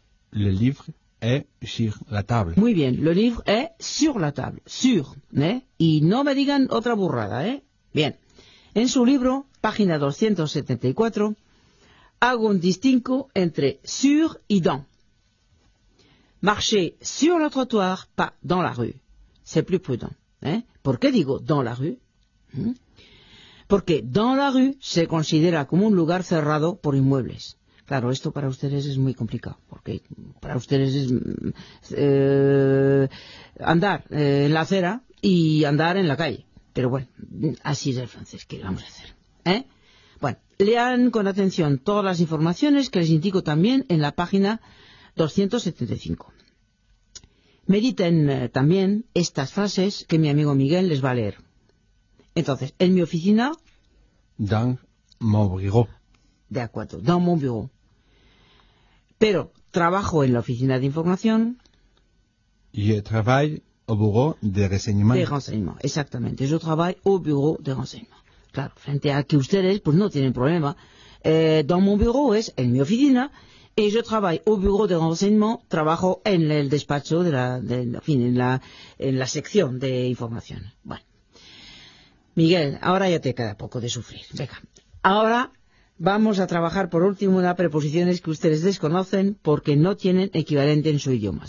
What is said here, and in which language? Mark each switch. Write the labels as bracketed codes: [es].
[fr] Le livre est sur la table. [es] Muy bien. [fr] Le livre est sur la table. [es] Sur, ¿eh? Y no me digan otra burrada, ¿eh? Bien. En su libro, página 274, hago un distinto entre sur y dans. [fr] Marcher sur le trottoir, pas dans la rue. C'est plus prudent. ¿Eh? [es] ¿Por qué digo [fr] dans la rue? [es] Porque dans la rue se considera como un lugar cerrado por inmuebles. Claro, esto para ustedes es muy complicado, porque para ustedes es andar en la acera y andar en la calle. Pero bueno, así es el francés, ¿qué vamos a hacer? ¿Eh? Bueno, lean con atención todas las informaciones que les indico también en la página 275. Mediten también estas frases que mi amigo Miguel les va a leer. Entonces, en mi oficina. [fr] Dans mon bureau. [es] De acuerdo, [fr] dans mon bureau. [es] Pero, ¿trabajo en la oficina de información? [fr] Je travaille au bureau de renseignement. [es] De renseignement, exactamente. [fr] Je travaille au bureau de renseignement. [es] Claro, frente a que ustedes, pues no tienen problema. [fr] Dans mon bureau [es] es en mi oficina. Y yo trabajo [fr] au bureau de renseignement, [es] trabajo en el despacho de la, de, en fin, en la sección de información. Bueno. Miguel, ahora ya te queda poco de sufrir. Venga. Ahora vamos a trabajar por último las preposiciones que ustedes desconocen porque no tienen equivalente en su idioma.